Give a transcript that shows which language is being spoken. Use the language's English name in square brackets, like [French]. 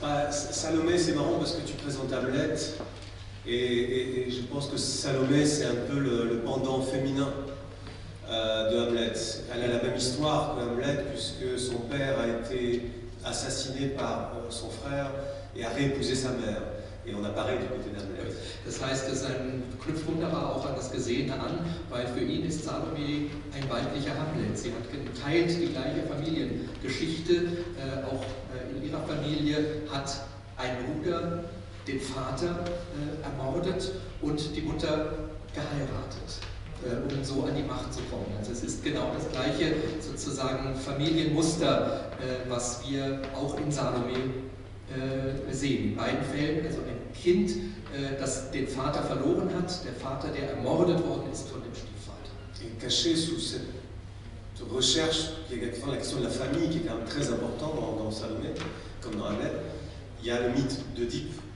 [French] Salomé, c'est marrant parce que tu présentes Hamlet. Et je pense que Salomé, c'est un peu le pendant féminin de Hamlet. Elle a la même histoire que Hamlet, puisque son père a été assassiné par son frère et a réépousé sa mère. Et on apparaît du côté d'Hamlet. [German] Das heißt, es knüpft wunderbar auch an das Gesehene an, weil für ihn ist Salomé ein weiblicher Hamlet. Sie hat geteilt die gleiche Familiengeschichte. Auch in ihrer Familie hat ein Bruder den Vater ermordet und die Mutter geheiratet, um so an die Macht zu kommen. Also es ist genau das gleiche sozusagen Familienmuster, was wir auch in Salome sehen. In beiden Fällen, also ein Kind, das den Vater verloren hat, der Vater, der ermordet worden ist von dem Stiefvater. [French] Et caché sous cette recherche, qui est la question de la famille, qui est quand même très important dans Salome, comme dans Hamlet, il y a le mythe d'Oedipe.